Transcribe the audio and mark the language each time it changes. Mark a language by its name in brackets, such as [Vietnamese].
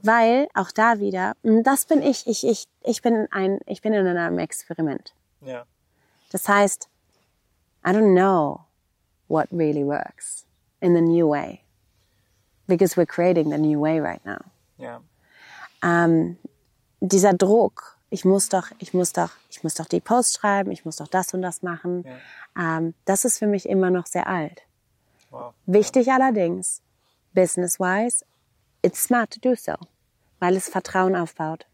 [German] Weil auch da wieder, und das bin ich, ich bin in einem Experiment. Ja. Das heißt, [English] I don't know what really works in the new way. Because we're creating the new way right now. [German] Ja. Dieser Druck, ich muss doch die Post schreiben, ich muss doch das und das machen. Ja. Das ist für mich immer noch sehr alt. Wow. Wichtig allerdings, business-wise, [English] it's smart to do so, [German] weil es Vertrauen aufbaut.